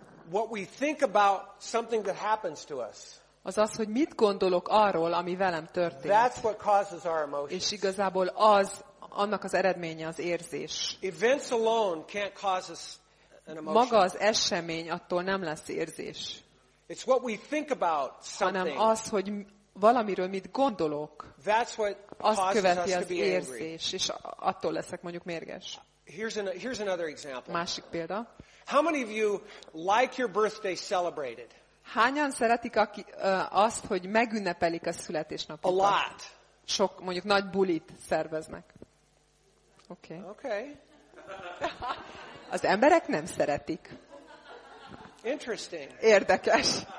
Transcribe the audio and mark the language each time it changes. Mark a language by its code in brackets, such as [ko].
[en] What we think about something that happens to us. [hu] Az, hogy mit gondolok arról, ami velem történt. [en] That's what causes our emotions. [hu] És igazából az, annak az eredménye az érzés. [en] Events alone can't cause us an emotion. [hu] Maga az esemény attól nem lesz érzés. [en] It's what we think about something. [hu] Hanem az, hogy valamiről mit gondolok. [en] That's what [hu] azt követi [en] causes [hu] az érzés, és attól leszek mondjuk mérges. [en] Here's another example. [hu] Másik példa. [en] How many of you like your birthday celebrated? [hu] Hányan szeretik azt, hogy megünnepelik a születésnapot? [en] A lot. [hu] Sok, mondjuk nagy bulit szerveznek. Oké. Okay. [en] Okay. [hu] Az emberek nem szeretik. [en] Interesting. [hu] Érdekes.